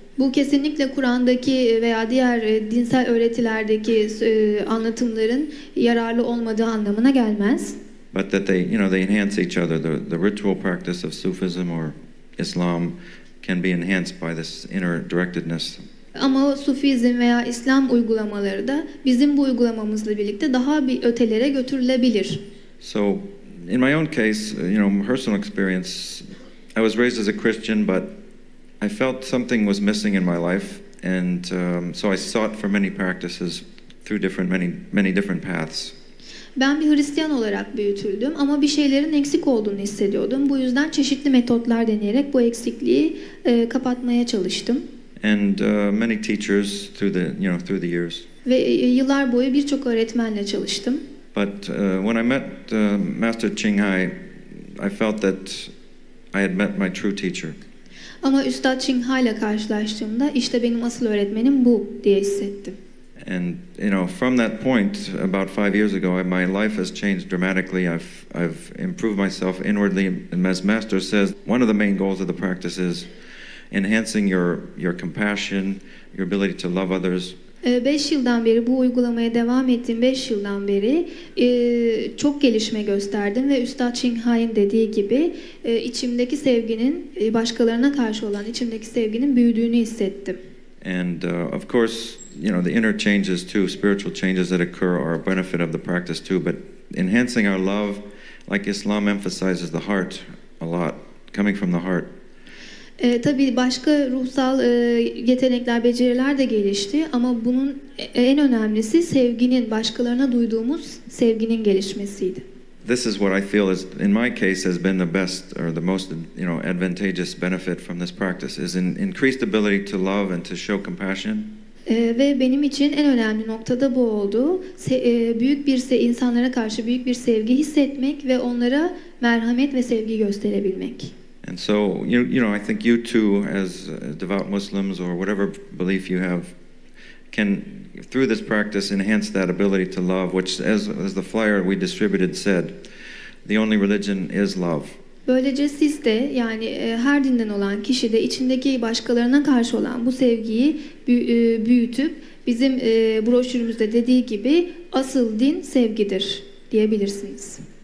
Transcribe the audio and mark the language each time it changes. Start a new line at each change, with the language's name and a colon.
Turkish: Bu kesinlikle Kur'an'daki veya diğer dinsel öğretilerdeki anlatımların yararlı olmadığı anlamına gelmez.
English: But that they, you know, they enhance each other. The ritual practice of Sufism or Islam can be enhanced by this inner directedness.
Turkish: Ama Sufizm veya İslam uygulamaları da bizim bu uygulamamızla birlikte daha bir ötelere götürülebilir.
English: So, in my own case, you know, personal experience, I was raised as a Christian, but I felt something was missing in my life, and so I sought for many practices through many different paths.
Turkish: Ben bir Hristiyan olarak büyütüldüm ama bir şeylerin eksik olduğunu hissediyordum. Bu yüzden çeşitli metotlar deneyerek bu eksikliği kapatmaya çalıştım.
English: And many teachers through the years.
Turkish: Ve yıllar boyu birçok öğretmenle çalıştım.
English: But when I met Master Ching Hai, I felt that I had met my true teacher.
Turkish: Ama Üstad Ching Hai ile karşılaştığımda işte benim asıl öğretmenim bu diye hissettim.
English: And you know, from that point about 5 years ago, my life has changed dramatically. I've improved myself inwardly, and as Master says, one of the main goals of the practice is enhancing your compassion, your ability to love others.
Turkish: 5 yıldan beri bu uygulamaya devam ettim. 5 yıldan beri çok gelişme gösterdim ve Üstad Ching Hai'nin dediği gibi içimdeki sevginin başkalarına karşı olan içimdeki sevginin büyüdüğünü hissettim.
English: And of course, you know, the inner changes too, spiritual changes that occur are a benefit of the practice too, but enhancing our love, like Islam emphasizes the heart a lot, coming from the heart.
Turkish: Tabii başka ruhsal yetenekler, beceriler de gelişti ama bunun en önemlisi sevginin, başkalarına duyduğumuz sevginin gelişmesiydi.
English: This is what I feel is, in my case, has been the best or the most, you know, advantageous benefit from this practice is an increased ability to love and to show compassion.
Turkish: Ve benim için en önemli nokta da bu oldu. İnsanlara karşı büyük bir sevgi hissetmek ve onlara merhamet ve sevgi gösterebilmek.
English: And so, you know, I think you too, as devout Muslims or whatever belief you have, can, through this practice, enhance that ability to love, which, as the flyer we distributed said, the only religion is love.
Turkish: Böylece siz de, yani her dinden olan kişi de içindeki başkalarına karşı olan bu sevgiyi büyütüp, bizim broşürümüzde dediği gibi, asıl din sevgidir, diyebilirsiniz.